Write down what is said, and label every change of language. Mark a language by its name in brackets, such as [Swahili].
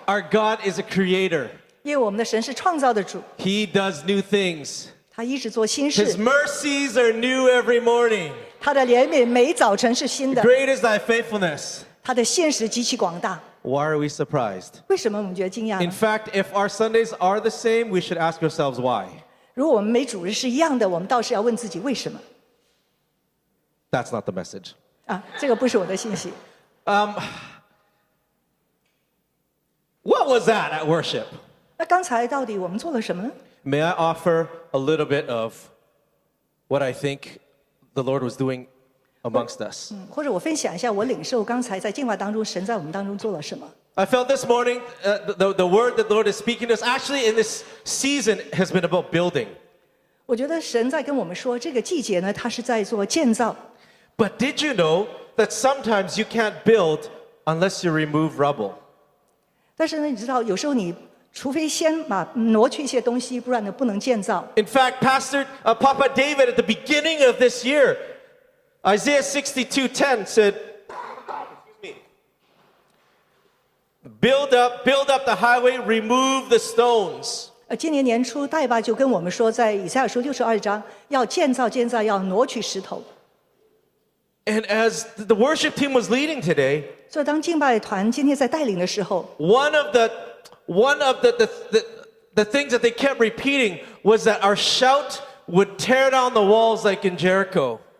[English] Our God is a creator. [Chinese] 因为我们的神是创造的主。 [English] He does new things. [Chinese] 他一直做新事。 [English] His mercies are new every morning. [Chinese] 他的怜悯每早晨是新的。 [English] Great is thy faithfulness. [Chinese] 他的信实极其广大。 [English] Why are we surprised? [Chinese] 为什么我们觉得惊讶呢? [English] In fact, if our Sundays are the same, we should ask ourselves why. [Chinese] 如果我们每主日是一样的，我们倒是要问自己为什么。 [English] That's not the message. [Chinese] 这个不是我的信息。 [English] What was that at worship? [Chinese] 那刚才到底我们做了什么呢? [English] May I offer a little bit of what I think the Lord was doing amongst us? [Chinese] 或者我分享一下我领受刚才在敬拜当中神在我们当中做了什么。 [English] I felt this morning the word that the Lord is speaking to us actually in this season has been about building. [Chinese] 我觉得神在跟我们说这个季节呢，他是在做建造。 [English] But did you know that sometimes you can't build unless you remove rubble? [Chinese] 但是呢，你知道有时候你除非先把挪去一些东西，不然呢不能建造。 [English] In fact, Pastor Papa David at the beginning of this year, Isaiah 62:10 said, Build up the highway, remove the stones. [Chinese] 今年年初，大爸就跟我们说，在以赛亚书62章，要建造，要挪取石头。 [English] And as the worship team was leading today, [Chinese] 所以当敬拜团今天在带领的时候， [English] one of the things that they kept repeating was that our shout would tear down the walls like in Jericho.